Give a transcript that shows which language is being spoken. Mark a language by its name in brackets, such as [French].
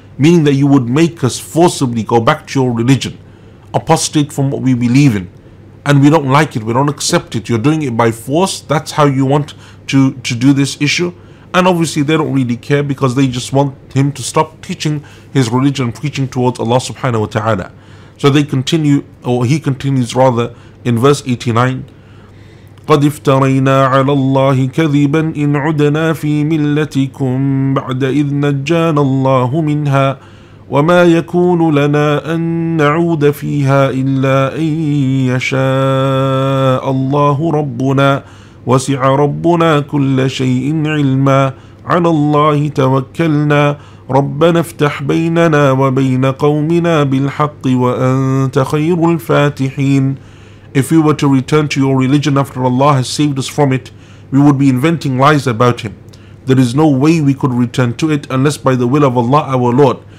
[English] Meaning that you would make us forcibly go back to your religion, apostate from what we believe in, and we don't like it, we don't accept it, you're doing it by force, that's how you want to do this issue? And obviously they don't really care, because they just want him to stop teaching his religion, preaching towards Allah subhanahu wa ta'ala. So he continues rather in verse 89, [Arabic] قد افترينا على الله كذبا إن عدنا في ملتكم بعد إذ نجانا الله منها وما يكون لنا أن نعود فيها إلا أن يشاء الله ربنا وسع ربنا كل شيء علما على الله توكلنا ربنا افتح بيننا وبين قومنا بالحق وأنت خير الفاتحين. [English] If we were to return to your religion after Allah has saved us from it, we would be inventing lies about him. There is no way we could return to it unless by the will of Allah our Lord.